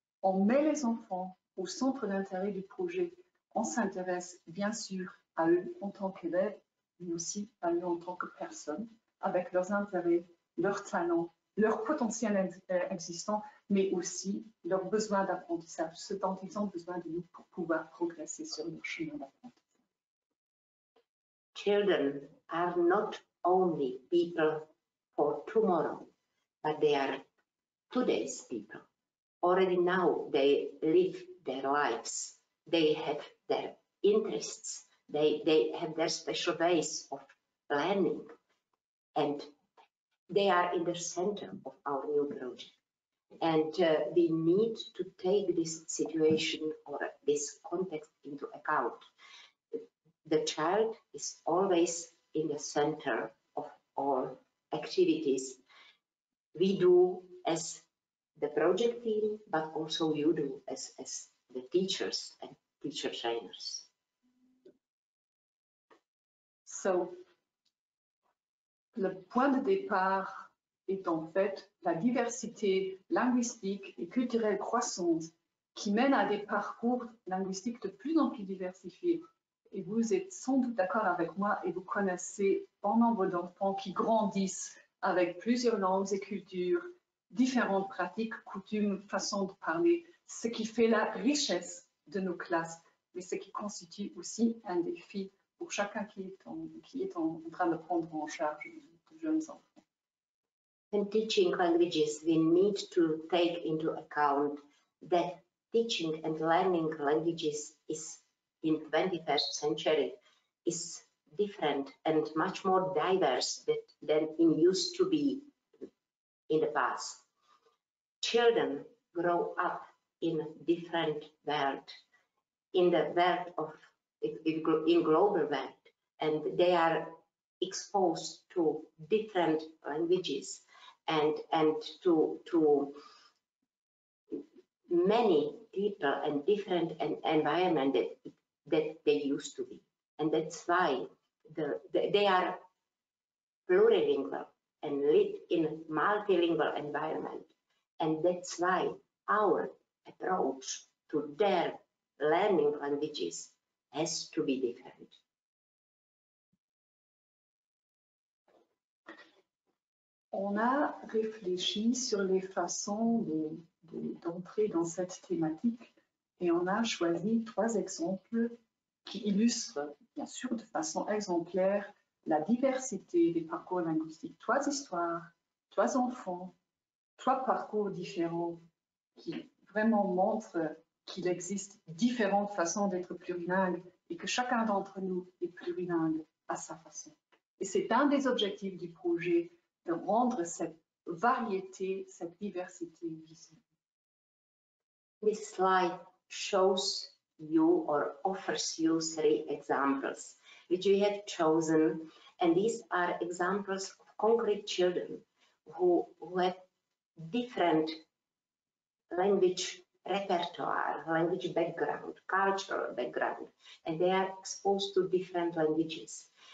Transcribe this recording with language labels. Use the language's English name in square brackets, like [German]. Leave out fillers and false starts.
[French] On met les enfants au centre d'intérêt du projet. On s'intéresse bien sûr à eux en tant qu'élèves, mais aussi à eux en tant que personnes, avec leurs intérêts, leurs talents, leur potentiel existant, mais aussi leurs besoins d'apprentissage, ce dont ils ont besoin de nous pour pouvoir progresser sur leur chemin d'apprentissage. [English] Children are not only people for tomorrow, but they are today's people. Already now they live their lives, they have their interests, they have their special ways of learning, and they are in the center of our new project. And we need to take this situation or this context into account. The child is always in the center of all activities we do as the project team, but also you do as the teachers and teacher trainers. [French] So, le point de départ est en fait la diversité linguistique et culturelle croissante qui mène à des parcours linguistiques de plus en plus diversifiés. Et vous êtes sans doute d'accord avec moi et vous connaissez bon nombre d'enfants qui grandissent avec plusieurs langues et cultures, différentes pratiques, coutumes, façons de parler, ce qui fait la richesse de nos classes, mais ce qui constitue aussi un défi pour chacun qui est en train de prendre en charge de jeunes enfants. [English] In teaching languages, we need to take into account that teaching and learning languages is in 21st century is different and much more diverse than it used to be in the past. Children grow up in a different world, in the world of, in global world, and they are exposed to different languages and to many people and different environment that they used to be. And that's why they are plurilingual and live in a multilingual environment. And that's why our approach to their learning languages has to be different. [French] On a réfléchi sur les façons d'entrer dans cette thématique et on a choisi trois exemples qui illustrent bien sûr de façon exemplaire la diversité des parcours linguistiques, trois histoires, trois enfants, trois parcours différents qui vraiment montrent qu'il existe différentes façons d'être plurilingue et que chacun d'entre nous est plurilingue à sa façon. Et c'est un des objectifs du projet de rendre cette variété, cette diversité visible. [English] This slide shows you or offers you three examples which we have chosen, and these are examples of concrete children who have different language repertoire, language background, cultural background, and they are exposed to different languages.